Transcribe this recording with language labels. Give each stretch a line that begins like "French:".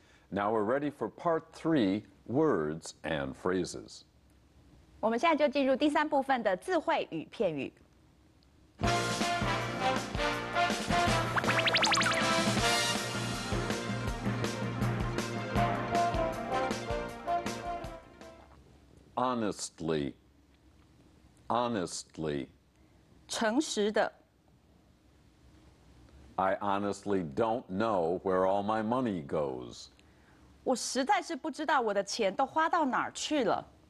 English: Now we're ready for part three, words and phrases.
Chinese: 我们现在就进入第三部分的字汇与片语。
English: Honestly, honestly.
Chinese: 诚实的。
English: I honestly don't know where all my money goes.
Chinese: 我实在是不知道我的钱都花到哪儿去了。